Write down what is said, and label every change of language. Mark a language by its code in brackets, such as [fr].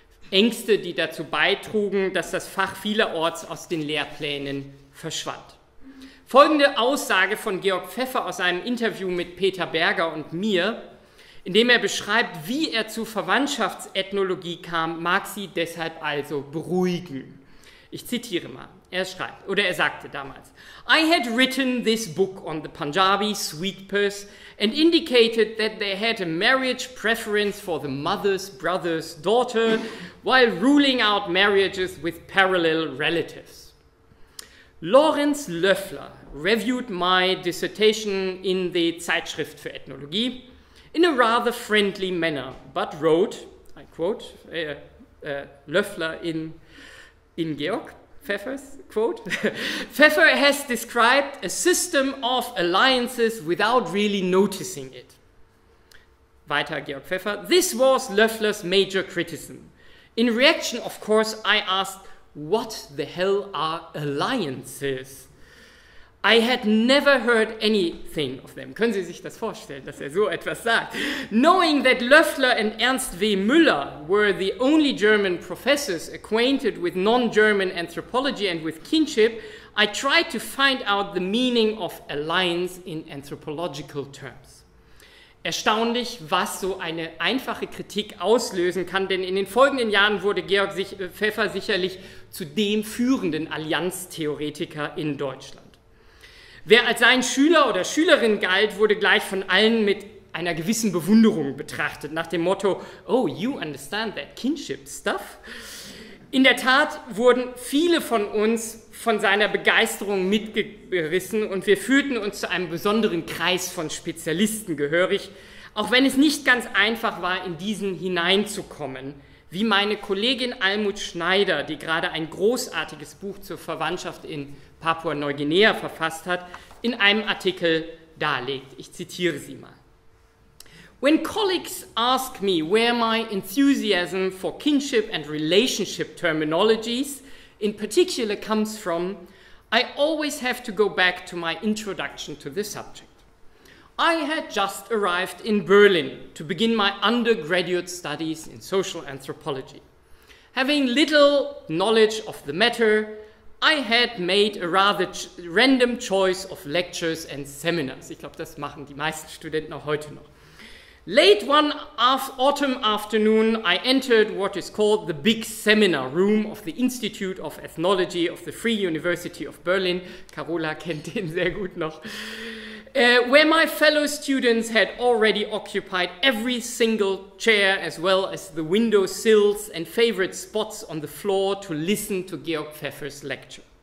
[de] Ängste, die dazu beitrugen, dass das Fach vielerorts aus den Lehrplänen verschwand. Folgende Aussage von Georg Pfeffer aus einem Interview mit Peter Berger und mir, in dem er beschreibt, wie er zu Verwandtschaftsethnologie kam, mag sie deshalb also beruhigen. Ich zitiere mal. Er sagte damals, [en] I had written this book on the Punjabi sweet purse and indicated that they had a marriage preference for the mother's brother's daughter while ruling out marriages with parallel relatives. Lorenz Löffler reviewed my dissertation in the Zeitschrift für Ethnologie in a rather friendly manner, but wrote, I quote, Löffler in Georg Pfeffer's quote, Pfeffer has described a system of alliances without really noticing it. [de] Weiter [en] Georg Pfeffer, this was Löffler's major criticism. In reaction, of course, I asked, what the hell are alliances? I had never heard anything of them. [de] Können Sie sich das vorstellen, dass er so etwas sagt? [en] Knowing that Löffler and Ernst W. Müller were the only German professors acquainted with non-German anthropology and with kinship, I tried to find out the meaning of alliance in anthropological terms. [de] Erstaunlich, was so eine einfache Kritik auslösen kann, denn in den folgenden Jahren wurde Georg Pfeffer sicherlich zu dem führenden Allianztheoretiker in Deutschland. Wer als sein Schüler oder Schülerin galt, wurde gleich von allen mit einer gewissen Bewunderung betrachtet, nach dem Motto, [en] oh, you understand that kinship stuff? [de] In der Tat wurden viele von uns von seiner Begeisterung mitgerissen und wir fühlten uns zu einem besonderen Kreis von Spezialisten gehörig, auch wenn es nicht ganz einfach war, in diesen hineinzukommen, wie meine Kollegin Almut Schneider, die gerade ein großartiges Buch zur Verwandtschaft in Papua-Neuguinea verfasst hat, in einem Artikel darlegt. Ich zitiere sie mal. [en] When colleagues ask me where my enthusiasm for kinship and relationship terminologies in particular comes from, I always have to go back to my introduction to the subject. I had just arrived in Berlin to begin my undergraduate studies in social anthropology. Having little knowledge of the matter, I had made a rather random choice of lectures and seminars. [de] Ich glaube, das machen die meisten Studenten auch heute noch. [en] Late one autumn afternoon, I entered what is called the big seminar room of the Institute of Ethnology of the Free University of Berlin. [de] Carola kennt den sehr gut noch. [en] Where my fellow students had already occupied every single chair as well as the window sills and favorite spots on the floor to listen to Georg Pfeffer's lecture.